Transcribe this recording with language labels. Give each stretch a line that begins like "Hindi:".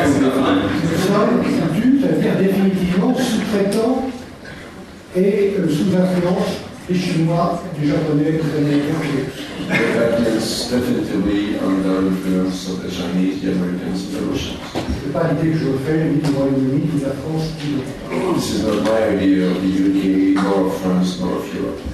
French: Nous sommes foutus, c'est-à-dire définitivement sous-traitants et sous influence. Les Chinois, les Japonais, les Américains, les Russes.
English: Definitely under influence of the Chinese, the Americans, the Russians.
French: Ce n'est pas l'idée que je fais, ni du Royaume-Uni, ni de la France, ni de
English: This is not my idea of the UK, nor of France, nor of Europe.